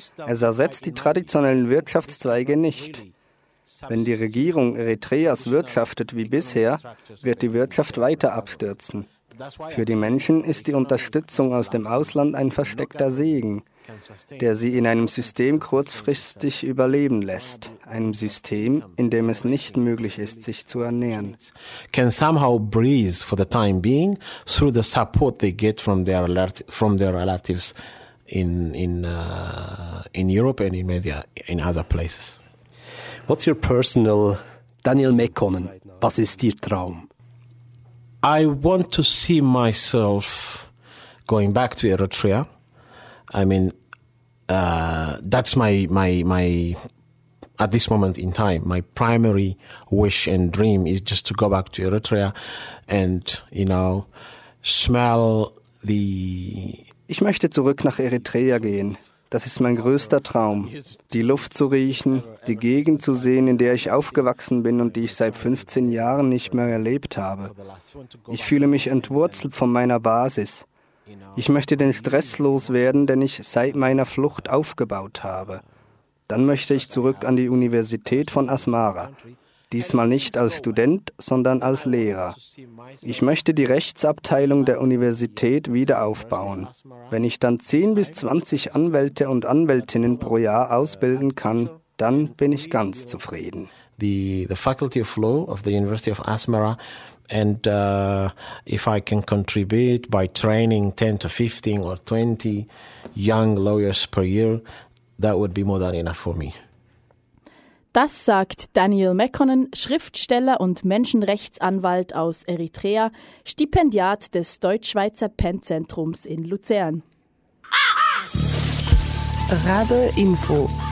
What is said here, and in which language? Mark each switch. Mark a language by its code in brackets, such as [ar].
[de] Es ersetzt die traditionellen Wirtschaftszweige nicht. Wenn die Regierung Eritreas wirtschaftet wie bisher, wird die Wirtschaft weiter abstürzen. Für die Menschen ist die Unterstützung aus dem Ausland ein versteckter Segen, der sie in einem System kurzfristig überleben lässt, einem System, in dem es nicht möglich ist, sich zu ernähren. [en] Can somehow breathe for the time being through the support they get from their relatives in Europe and in media in other places. What's your personal, [de] Daniel Mekkonen, was ist dir Traum? [en] I want to see myself going back to Eritrea. I mean, that's my at this moment in time, my primary wish and dream is just to go back to Eritrea and, you know, smell the... [de] Ich möchte zurück nach Eritrea gehen. Das ist mein größter Traum, die Luft zu riechen, die Gegend zu sehen, in der ich aufgewachsen bin und die ich seit 15 Jahren nicht mehr erlebt habe. Ich fühle mich entwurzelt von meiner Basis. Ich möchte den Stress loswerden, den ich seit meiner Flucht aufgebaut habe. Dann möchte ich zurück an die Universität von Asmara. Diesmal nicht als Student, sondern als Lehrer. Ich möchte die Rechtsabteilung der Universität wieder aufbauen. Wenn ich dann 10 bis 20 Anwälte und Anwältinnen pro Jahr ausbilden kann, dann bin ich ganz zufrieden. [en] The Faculty of Law of the University of Asmara, and if I can contribute by training 10 to 15 or 20 young lawyers per year, that would be more than enough for me. [de] Das sagt Daniel Mekkonen, Schriftsteller und Menschenrechtsanwalt aus Eritrea, Stipendiat des Deutschschweizer PEN-Zentrums in Luzern. Radio Info.